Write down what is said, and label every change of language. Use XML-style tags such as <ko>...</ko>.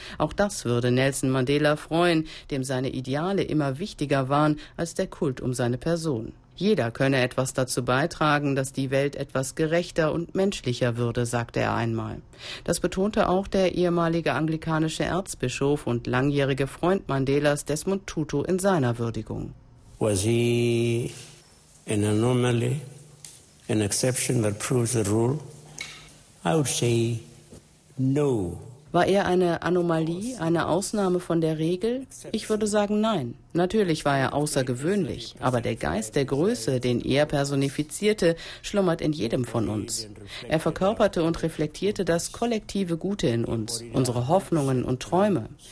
<de>Auch das würde Nelson Mandela freuen, dem seine Ideale immer wichtiger waren als der Kult um seine Person. Jeder könne etwas dazu beitragen, dass die Welt etwas gerechter und menschlicher würde, sagte er einmal. Das betonte auch der ehemalige anglikanische Erzbischof und langjährige Freund Mandelas, Desmond Tutu, in seiner Würdigung.</de> <en>Was he an anomaly, an exception that proves the rule, I would say no.</en> <de>War er eine Anomalie, eine Ausnahme von der Regel? Ich würde sagen nein. Natürlich war er außergewöhnlich, aber der Geist der Größe, den er personifizierte, schlummert in jedem von uns. Er verkörperte und reflektierte das kollektive Gute in uns, unsere Hoffnungen und Träume.</de>